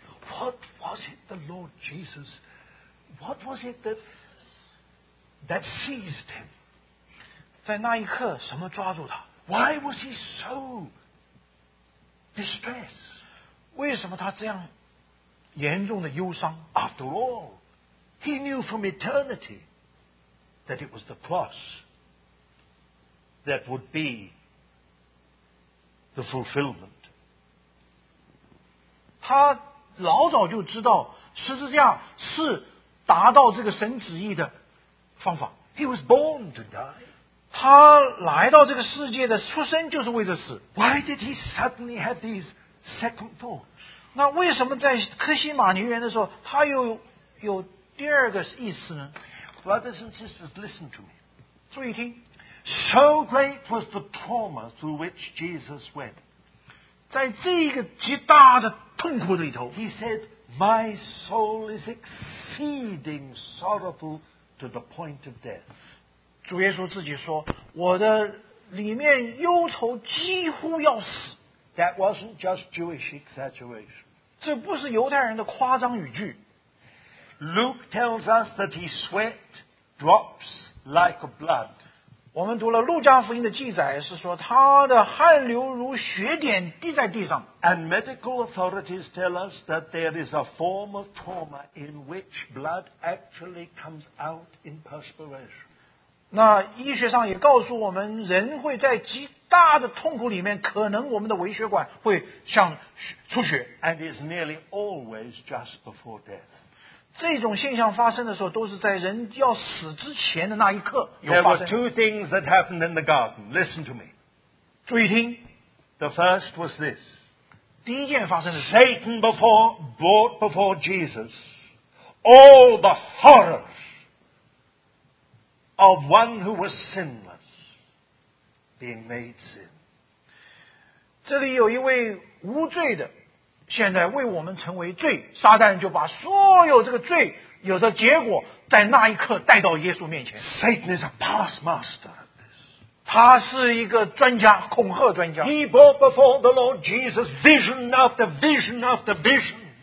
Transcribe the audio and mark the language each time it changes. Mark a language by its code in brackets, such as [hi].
[en] What was it the Lord Jesus? What was it that seized him? [zh] 在那一刻，什么抓住他？ [en] Why was he so distressed? [zh] 为什么他这样严重的忧伤？ [en] After all, he knew from eternity that it was the cross that would be the fulfillment. [zh] 他老早就知道十字架是达到这个神旨意的方法。 [en] He was born to die. [zh] 他来到这个世界的出生就是为了死。 [en] Why did he suddenly have these second thoughts? [zh] 那为什么在科西马尼园的时候他又 有第二个意思呢？ [en] Brothers and sisters, listen to me. [zh] 注意听。 [en] So great was the trauma through which Jesus went. [zh] 在这个极大的痛苦里头， [en] He said, My soul is exceeding sorrowful to the point of death. [zh] 主耶稣自己说，我的里面忧愁几乎要死。 [en] That wasn't just Jewish exaggeration. [zh] 这不是犹太人的夸张语句。 [en] Luke tells us that he sweat drops like blood. [zh] 我们读了路加福音的记载，是说他的汗流如血点滴在地上。 [en] And medical authorities tell us that there is a form of trauma in which blood actually comes out in perspiration. [zh] 那医学上也告诉我们，人会在极大的痛苦里面，可能我们的微血管会像出血。 [en] And it's nearly always just before death. [zh] 这种现象发生的时候，都是在人要死之前的那一刻有发生。 [en] There were two things that happened in the garden. Listen to me. [zh] 注意听。 [en] The first was this. [zh] 第一件发生的是 [en] Satan brought before Jesus all the horrors of one who was sinless being made sin. [zh] 这里有一位无罪的现在为我们成为罪，撒旦就把所有这个罪有的结果在那一刻带到耶稣面前。 [en] Satan is a past master at this. [zh] 他是一个专家，恐吓专家。 [en] He brought before the Lord Jesus vision after vision after vision.